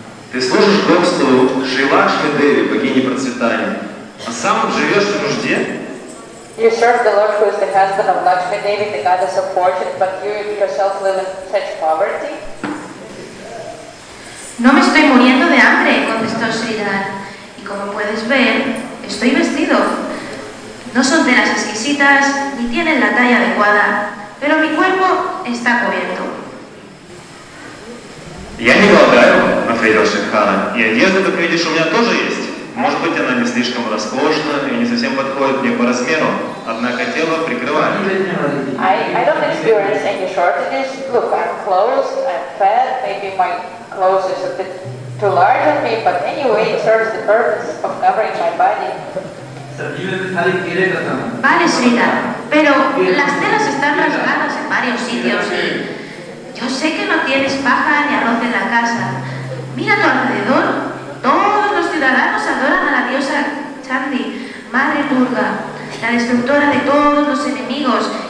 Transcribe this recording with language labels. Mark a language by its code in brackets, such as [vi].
[ru] Ты служишь господству Шри Лакшми Деви, богини процветания, а сам живешь в нужде? [en] You serve the Lord who is the husband of Lakshmi Devi, the goddess of fortune, but you yourself live in such poverty? [es] No me estoy muriendo. muriendo de hambre, contestó Sridhar. Y como puedes ver, estoy vestido. No son telas exquisitas ni tienen la talla adecuada, pero mi cuerpo está cubierto. [ru] Я не голодаю, ответил Хан. И одежда, как видишь, у меня тоже есть. Может быть, она не слишком роскошна и не совсем подходит мне по размеру, однако тело прикрывает. [en] I don't experience any shortages. Look, I'm closed, I'm fat. Maybe my clothes is a bit too large on me, but anyway, it serves the purpose of covering my body. [es] Vale, Sridhar, pero las telas están rasgadas en varios sitios y yo sé que no tienes paja ni arroz en la casa. Mira a tu alrededor. Todos los ciudadanos adoran a la diosa Chandi, madre Durga, la destructora de todos los enemigos.